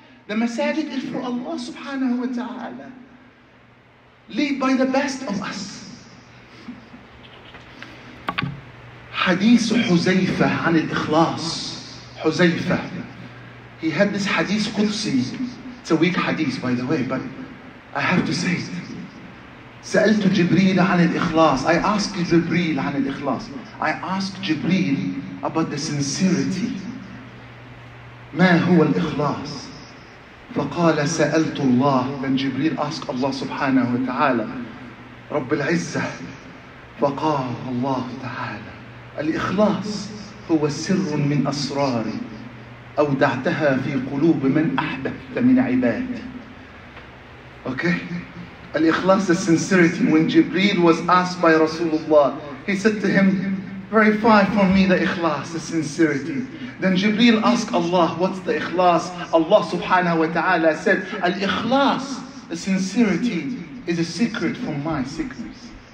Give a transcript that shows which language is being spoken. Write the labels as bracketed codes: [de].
[en] The masajid is for Allah subhanahu wa ta'ala. Lead by the best of us. Hadith Huzayfa [ar] عن الإخلاص. [en] Huzayfa, he had this hadith Qudsi. It's a weak hadith, by the way, but I have to say it. [ar] سألت جبريل عن الإخلاص. [en] I asked جبريل [ar] عن الإخلاص. [en] I asked جبريل about the sincerity. [ar] ما هو الإخلاص؟ فقال سألت الله. [en] Then جبريل asked Allah [ar] سبحانه وتعالى رب العزة. فقال الله تعالى الإخلاص هو سر من أسراري أودعتها في قلوب من أحببت من عباد. [en] Okay? Al-Ikhlas is sincerity. When Jibreel was asked by Rasulullah, he said to him, verify for me the ikhlas, the sincerity. Then Jibreel asked Allah, what's the ikhlas? Allah subhanahu wa ta'ala said, al-ikhlas, the sincerity, is a secret from my sickness.